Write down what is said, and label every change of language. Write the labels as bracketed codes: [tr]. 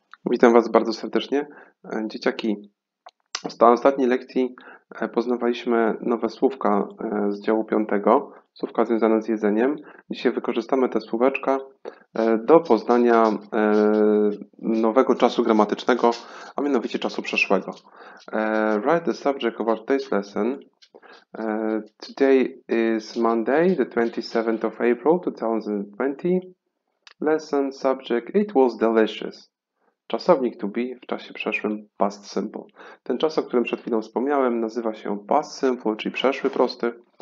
[pl] Witam Was bardzo serdecznie. Dzieciaki, w ostatniej lekcji poznawaliśmy nowe słówka z działu 5, słówka związane z jedzeniem. Dzisiaj wykorzystamy te słóweczka do poznania nowego czasu gramatycznego, a mianowicie czasu przeszłego. [en] Write the subject of our today's lesson. Today is Monday, the 27th of April, 2020. Lesson subject, it was delicious. [pl] Czasownik to be w czasie przeszłym past simple. Ten czas, o którym przed chwilą wspomniałem, nazywa się past simple, czyli przeszły prosty.